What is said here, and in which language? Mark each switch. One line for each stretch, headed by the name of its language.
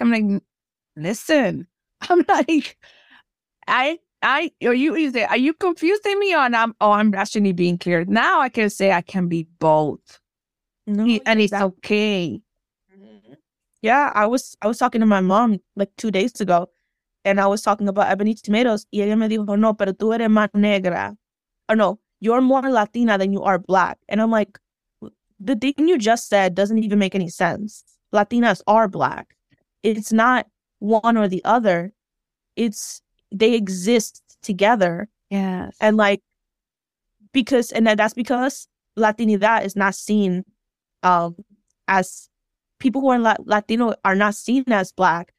English: I'm like, listen, I'm like, are you confusing me or not? Oh, I'm actually being clear. Now I can say I can be both. No, and it's okay. Yeah, I was talking to my mom like 2 days ago, and I was talking about Ebony Tomatoes.
Spanish: Y ella me dijo, no, pero tú eres más negra.
English: Oh, no, you're more Latina than you are black. And I'm like, the thing you just said doesn't even make any sense. Latinas are black. It's not one or the other. It's they exist together. Yes. And like, because, and that's because Latinidad is not seen as people who are Latino are not seen as black.